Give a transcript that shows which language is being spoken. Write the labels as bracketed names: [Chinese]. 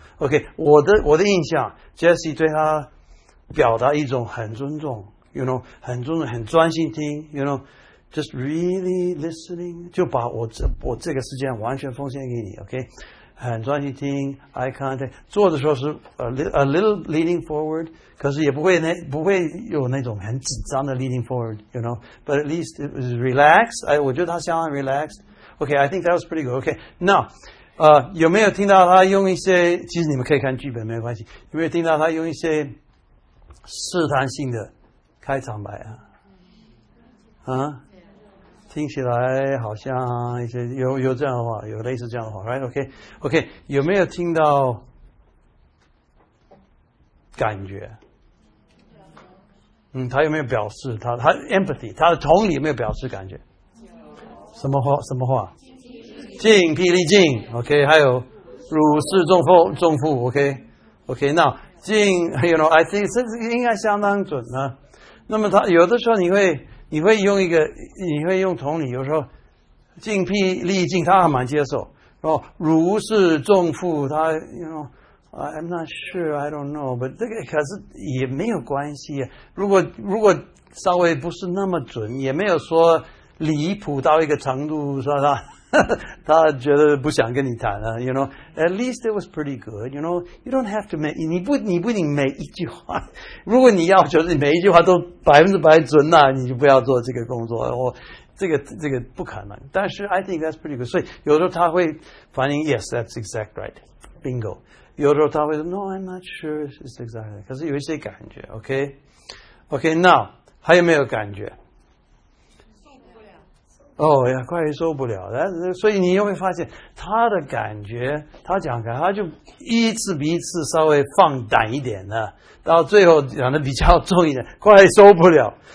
[Chinese] OK， 我的印象 ，Jesse 对他表达一种很尊重。 [English] You know， [Chinese] 很重要，很专心听。 [English] You know， just really listening， [Chinese] 就把我这个时间完全奉献给你。 OK， 很专心听 ， [English] eye contact。 [Chinese] 做的时候是 [English] a little leaning forward， [Chinese] 可是也不会有那种很紧张的 leaning forward。 [English] You know， but at least it was relaxed。 [Chinese] 哎，我觉得他相当 relaxed。 [English] OK， I think that was pretty good。OK， now， [Chinese] 有没有听到他用一些？其实你们可以看剧本，没有关系。有没有听到他用一些试探性的？开场白啊，听起来好像一些有这样的话，有类似这样的话 ，right？OK，OK，、okay? okay, 有没有听到感觉？嗯，他有没有表示他 empathy， 他的同理有没有表示感觉？什么话？什么话？尽疲力尽 ，OK， 还有如释重负，重负 ，OK，OK， 那尽 ， [English] you know，I think [Chinese] 这应该相当准呢、啊。那么他有的时候你会用一个，你会用同理，有时候尽疲力尽，他还蛮接受，然后如释重负，他 you know。 [English] I'm not sure, I don't know, but [Chinese] 这个可是也没有关系、 [English] 啊。 [Chinese] 如果稍微不是那么准，也没有说离谱到一个程度，说他觉得不想跟你谈了、啊。 [English] You know, at least it was pretty good. You know, you don't have to make [Chinese] 你不一定每一句话。如果你要求你每一句话都百分之百准、啊，那你就不要做这个工作。我这个不可能。但是 [English] I think that's pretty good. [Chinese] 所以有时候他会反应 [English] ，Yes, that's exact right. Bingo. [Chinese] 有时候他会说 [English] ,No, I'm not sure it's exactly, [Chinese] 可是有一些感觉 [English] ,OK?OK,、okay? okay, now, [Chinese] 还有没有感觉受不了。哦呀，快受不了。所以你又会发现他的感觉，他讲感觉，他就一次比一次稍微放胆一点的，到最后讲的比较重一点，快受不了。